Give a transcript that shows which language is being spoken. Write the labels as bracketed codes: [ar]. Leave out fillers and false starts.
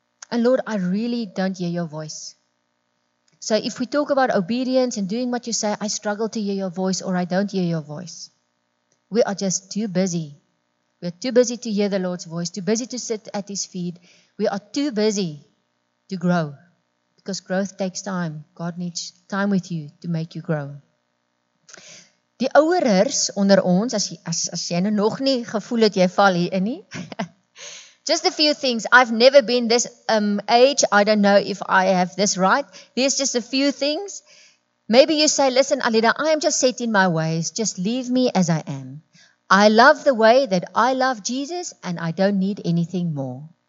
[en] And Lord, I really don't hear your voice. So if we talk about obedience and doing what you say, I struggle to hear your voice or I don't hear your voice. We are just too busy. We are too busy to hear the Lord's voice, too busy to sit at His feet. We are too busy to grow. Because growth takes time. God needs time with you to make you grow. [af] Die ouerers onder ons, as jy nou nog nie gevoel het, jy val hier in nie. [en] Just a few things. I've never been this age. I don't know if I have this right. There's just a few things. Maybe you say, listen, Alida, I am just set in my ways. Just leave me as I am. I love the way that I love Jesus and I don't need anything more.